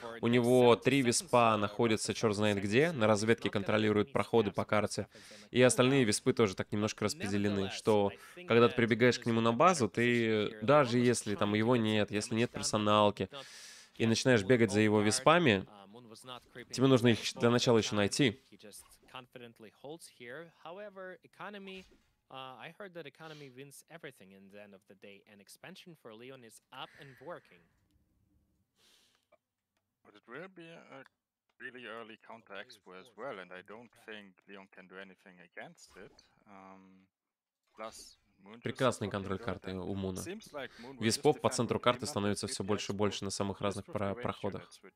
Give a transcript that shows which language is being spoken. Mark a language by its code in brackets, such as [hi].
[ru] У него 3 виспа находятся черт знает где, на разведке контролируют проходы по карте. И остальные виспы тоже так немножко распределены, что когда ты прибегаешь к нему на базу, ты даже если там его нет, если нет персоналки, и начинаешь бегать за его виспами, тебе нужно их для начала еще найти. [en] Confidently holds here. However, economy, I heard that economy wins everything in the end of the day, and expansion for Leon is up and working. But it will be a really early counter expo as well, and I don't think Leon can do anything against it. Plus, [ru] прекрасный контроль карты у Муна. Виспов по центру карты становится все больше и больше на самых разных проходах.